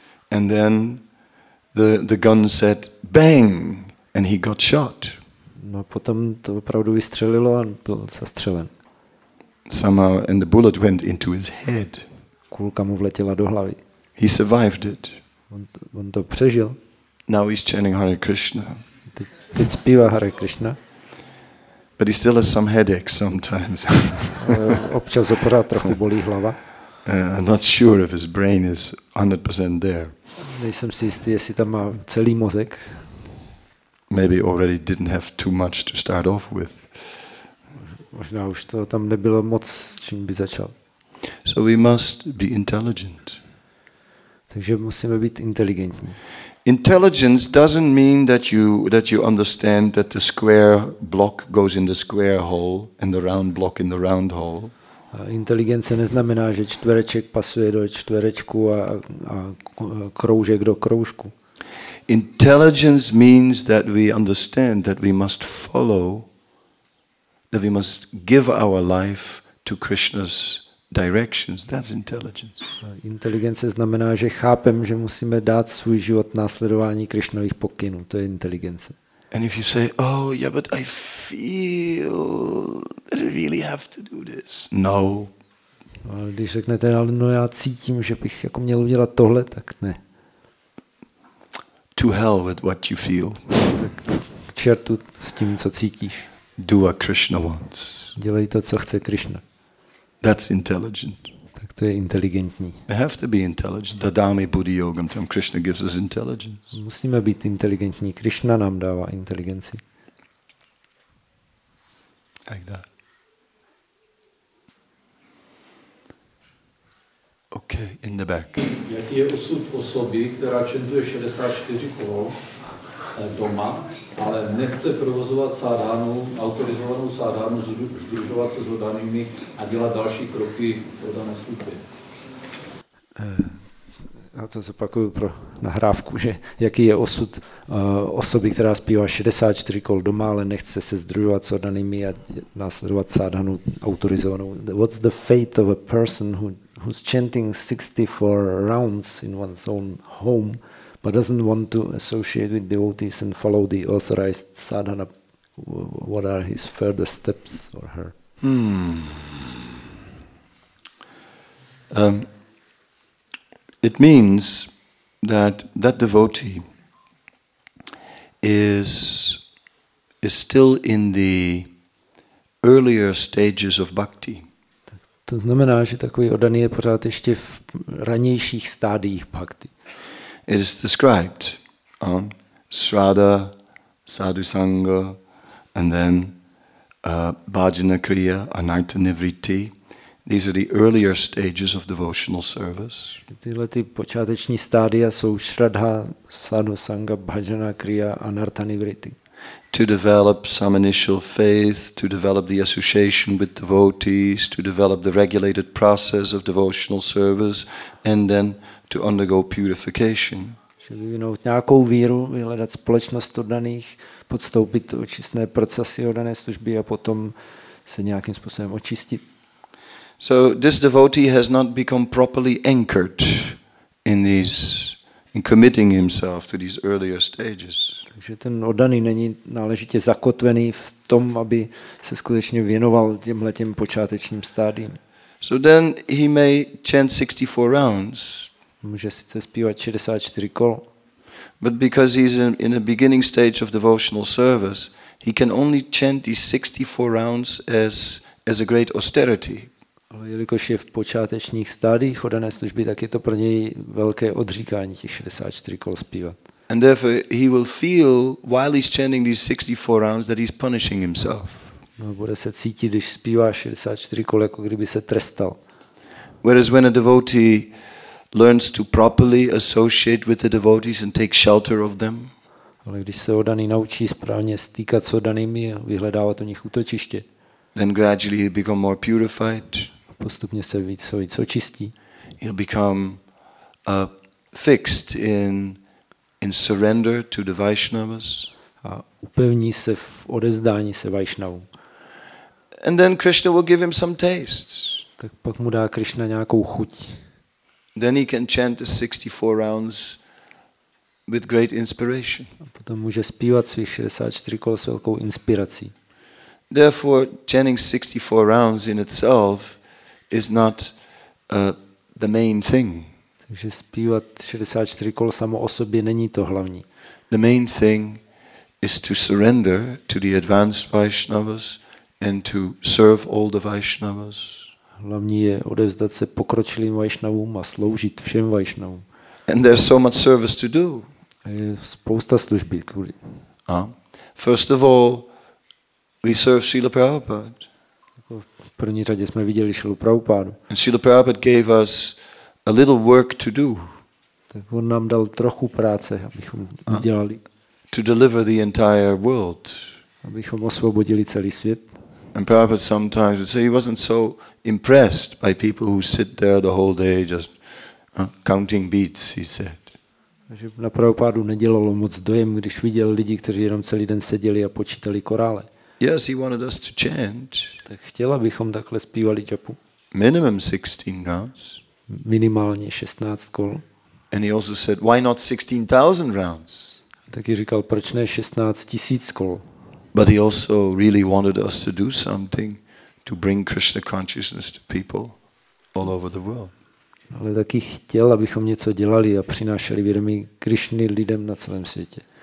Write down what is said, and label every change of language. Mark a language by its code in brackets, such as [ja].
[en] And then the gun said bang and he got shot. [cs] No potom to opravdu vystřelilo a byl zastřelen. [en] Somehow, and the bullet went into his head. [cs] Kulka mu vletěla do hlavy. [en] He survived it. [cs] On to přežil. [en] Now he's chanting Hare Krishna. [cs] Teď zpívá Hare Krishna. [en] But he still has some headache sometimes. [cs] Občas ho pořád trochu bolí hlava. [en] I'm not sure if his brain is 100% there. [cs] Nejsem si jistý, jestli tam má celý mozek. [en] Maybe already didn't have too much to start off with. [cs] Možná už to tam nebylo moc, s čím by začal. [en] So we must be intelligent. [cs] Takže musíme být inteligentní. [en] Intelligence doesn't mean that you understand that the square block goes in the square hole and the round block in the round hole. [cs] Inteligence neznamená, že čtvereček pasuje do čtverečku a kroužek do kroužku. [en] Intelligence means that we understand that we must follow, that we must give our life to Krishna's directions. That's intelligence. [cs] Inteligence znamená, že chápem, že musíme dát svůj život následování Krišnových pokynů. To je inteligence. [en] And if you say, oh, yeah, but I feel that I really have to do this. No. [cs] A když řeknete, ale no, já cítím, že bych jako měl udělat tohle, tak ne. [en] To hell with what you feel. [cs] Tak k čertu s tím, co cítíš. [en] Do what Krishna wants. [cs] Dělej to, co chce Krishna. [en] That's intelligent. [cs] Tak to je inteligentní. [en] We have to be intelligent. [sa] Dadami buddhi yogam tam [en] Krishna gives us intelligence. [cs] Musíme být inteligentní. Krishna nám dává inteligenci. [en] Like that. Okay, in the back. [cs] Jaký je osud osoby, která čentuje 64 kol doma, ale nechce provozovat sádhanu, autorizovanou sádhanu, združovat se s oddanými a dělat další kroky v oddané skupě? Já to zopakuju pro nahrávku, že jaký je osud osoby, která zpívá 64 kol doma, ale nechce se združovat s oddanými a následovat sádhanu autorizovanou. [en] What's the fate of a person who's chanting 64 rounds in one's own home, but doesn't want to associate with devotees and follow the authorized sadhana? What are his further steps or her? It means that devotee is still in the earlier stages of bhakti. [cs] To znamená, že takový oddaný je pořád ještě v ranějších stádiích bhakti. [en] It is described on Shraddha, Sadhu Sangha, and then Bhajana Kriya, Anartha Nivritti. These are the earlier stages of devotional service. [cs] Tyhle ty počáteční stádia jsou Shraddha, Sadhu Sangha, Bhajana Kriya, Anartha Nivritti. [en] To develop some initial faith, to develop the association with devotees, to develop the regulated process of devotional service, and then to undergo purification. [cs] Že vyvinout nějakou víru, vyhledat společnost oddaných, podstoupit očistné procesy oddané služby a potom se nějakým způsobem očistit. [en] So this devotee has not become properly anchored in committing himself to these earlier stages. [cs] Takže ten oddaný není náležitě zakotvený v tom, aby se skutečně věnoval těmhle těm počátečním stádiím. [en] So then he may chant 64 rounds. [cs] Může sice zpívat 64 kol. [en] But because he's in a beginning stage of devotional service, he can only chant these 64 rounds as a great austerity. [cs] Ale jelikož je v počátečních stádiích oddané služby, tak je to pro něj velké odříkání těch 64 kol zpívat. [en] And therefore he will feel while he's chanting these 64 rounds that he's punishing himself. [cs] No, bude se cítit, když zpívá 64 kol, jako kdyby se trestal. [en] Whereas when a devotee learns to properly associate with the devotees and take shelter of them. [cs] Ale když se oddaný naučí správně stýkat s oddanými a vyhledávat u nich útočiště. [en] Then gradually he'll become more purified. [cs] Postupně se víc a víc očistí. [en] He'll become fixed in surrender to the Vaishnavas. [cs] A upevní se v odevzdání se Vaishnavům. [en] And then Krishna will give him some tastes. [cs] Tak pak mu dá Krishna nějakou chuť. [en] Then he can chant the 64 rounds with great inspiration. [cs] A potom může zpívat svých 64 kol s velkou inspirací. [en] Therefore, chanting 64 rounds in itself is not the main thing. [cs] Takže zpívat 64 kol samo o sobě není to hlavní. [en] The main thing is to surrender to the advanced Vaishnavas and to serve all the Vaishnavas. [cs] Hlavní je odevzdat se pokročilým Vaishnavům a sloužit všem Vaishnavům. [en] And there's so much service to do. [cs] A je spousta služby. [en] First of all, we serve Srila Prabhupada. [cs] první řadě jsme viděli Šrilu Prabhupádu. [en] And Srila Prabhupada gave us a little work to do. [cs] Tak on nám dal trochu práce, abychom udělali. [en] To deliver the entire world. [cs] Abychom osvobodili celý svět. [en] And Prabhupada sometimes would say he wasn't so impressed by people who sit there the whole day just counting beads, he said. [cs] Že na Prabhupádu nedělalo moc dojem, když viděl lidi, kteří jenom celý den seděli a počítali korále. [en] Yes, he wanted us to chant. [cs] Tak chtěl, abychom takhle zpívali japu. [en] Minimum 16 rounds. [cs] Minimálně 16 kol. [en] And he also said, why not 16,000 rounds? [cs] Taky říkal, proč ne 16 tisíc kol? [en] But he also really wanted us to do something to bring Krishna consciousness to people all over the world. [cs] Ale taky chtěl, abychom něco dělali a přinášeli vědomí Krišny lidem na celém světě.